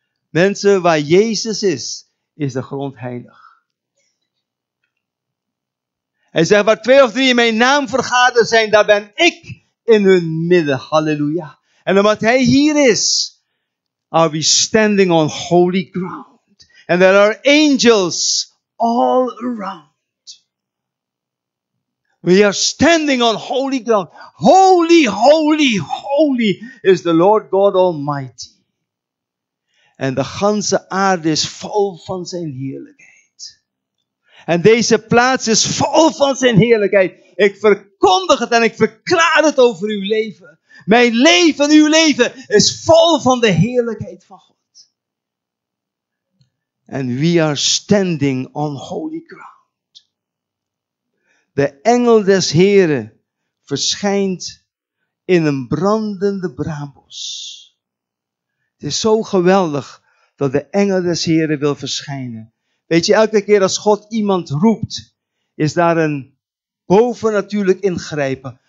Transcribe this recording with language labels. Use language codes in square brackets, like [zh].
[nl] Mensen, waar Jezus is, is de grond heilig. Hij zegt, waar twee of drie in mijn naam vergaderd zijn, daar ben ik in hun midden, halleluja. En omdat hij hier is, [en] are we standing on holy ground. And there are angels all around. We are standing on holy ground. Holy, holy, holy is the Lord God Almighty. [nl] En de ganse aarde is vol van zijn heerlijkheid. En deze plaats is vol van zijn heerlijkheid. Ik verkondig het en ik verklaar het over uw leven. Mijn leven, uw leven is vol van de heerlijkheid van God. [en] And we are standing on holy ground. [nl] De engel des Heren verschijnt in een brandende braambos. Het is zo geweldig dat de engel des Heren wil verschijnen. Weet je, elke keer als God iemand roept, is daar een bovennatuurlijk ingrijpen.